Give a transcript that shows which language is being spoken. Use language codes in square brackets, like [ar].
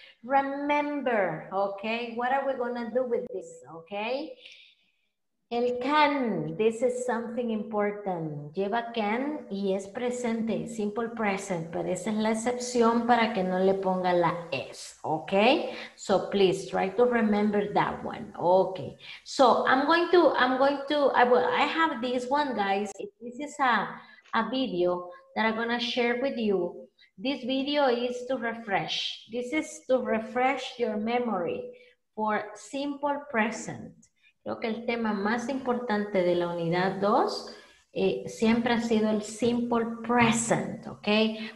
[en] Remember, okay, what are we gonna do with this, okay? El can, this is something important. [es] Lleva can y es presente, simple present, pero esa es la excepción para que no le ponga la S, okay? [en] So please try to remember that one, okay. So I have this one, guys. This is a video that I'm gonna share with you. This video is to refresh. This is to refresh your memory for simple present. [es] Creo que el tema más importante de la unidad 2 siempre ha sido el simple present, okay?